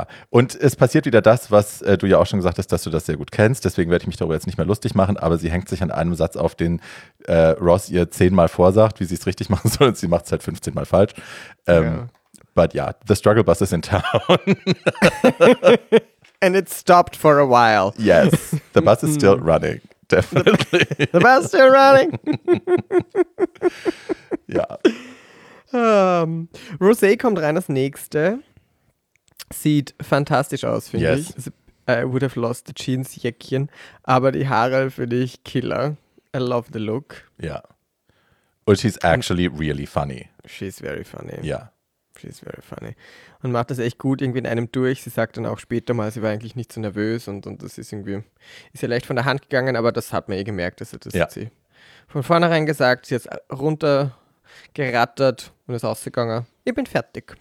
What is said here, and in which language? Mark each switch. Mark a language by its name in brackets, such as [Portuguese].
[German] Und es passiert wieder das, was du ja auch schon gesagt hast, dass du das sehr gut kennst, deswegen werde ich mich darüber jetzt nicht mehr lustig machen, aber sie hängt sich an einem Satz auf, den Ross ihr 10-mal vorsagt, wie sie es richtig machen soll und sie macht es halt 15-mal falsch. [English] But yeah, the struggle bus is in town. And it stopped for a while. Yes, the bus is still running, definitely. The bus is still running. [German] Ja. Rosé kommt rein als Nächste. Sieht fantastisch aus, finde ich. [English] I would have lost the Jeans-Jäckchen. [German] Aber die Haare finde ich killer. [English] I love the look. Ja. Yeah. And she's actually really funny. She's very funny. Ja. Yeah. She's very funny. [German] Und macht das echt gut irgendwie in einem durch. Sie sagt dann auch später mal, sie war eigentlich nicht so nervös und das ist irgendwie, ist ja leicht von der Hand gegangen, aber das hat man eh gemerkt. Also das hat sie von vornherein gesagt, sie ist runtergerattert und ist ausgegangen. Ich bin fertig.